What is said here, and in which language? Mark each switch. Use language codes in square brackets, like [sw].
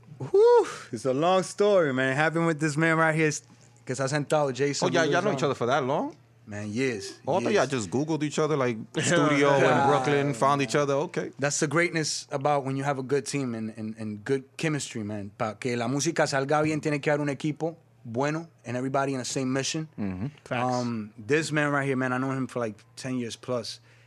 [en] Whew, it's a long story, man. Happened with this man right here, because I sent out Jason. Oh, yeah, y'all know each other for that long? Man, years. Although y'all just Googled each other, like studio in Brooklyn, found each other, okay. That's the greatness about when you have a good team and good chemistry, man. [es] Para que la música salga bien, tiene que haber un equipo. [en] Bueno, and everybody in the same mission. Mm-hmm. Facts. This man right here, man, I know him for like 10 years plus.